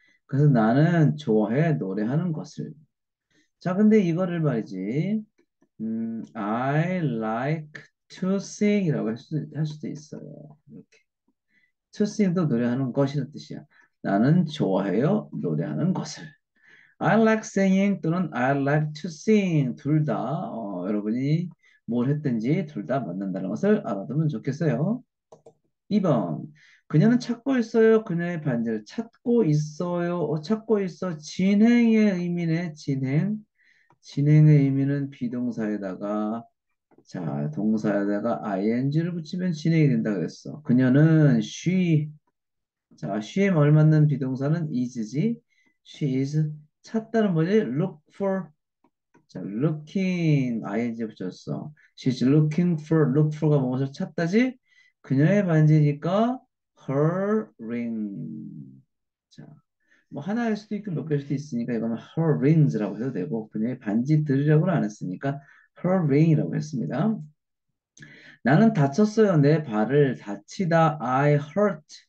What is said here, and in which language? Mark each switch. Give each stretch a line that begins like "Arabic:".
Korean: 그래서 나는 좋아해, 노래하는 것을. 자, 근데 이거를 말이지.
English: I like to sing
Korean: 이라고 할 수도 있어요. 이렇게. To sing도 노래하는 것이란 뜻이야. 나는 좋아해요, 노래하는 것을.
English: I like singing 또는 I like to sing.
Korean: 둘 다, 여러분이 뭘 했든지 둘다 맞는다는 것을 알아두면 좋겠어요. 2번. 그녀는 찾고 있어요. 그녀의 반지를 찾고 있어요. 찾고 있어. 진행의 의미네. 진행. 진행의 의미는 비동사에다가 자 동사에다가 ing를 붙이면 진행이 된다 그랬어. 그녀는 she 자 she에 걸맞는 비동사는 is지.
English: She is
Korean: 찾다는 뭐지? look for 자 looking ing 붙였어.
English: She's looking for
Korean: look for가 무엇을 찾다지? 그녀의 반지니까 her ring 자. 뭐 하나일 수도 있고 몇 개일 수도 있으니까 이거는 her rings라고 해도 되고 그녀의 반지 들이라고는 안 했으니까 her ring이라고 했습니다. 나는 다쳤어요. 내 발을 다치다
English: I hurt.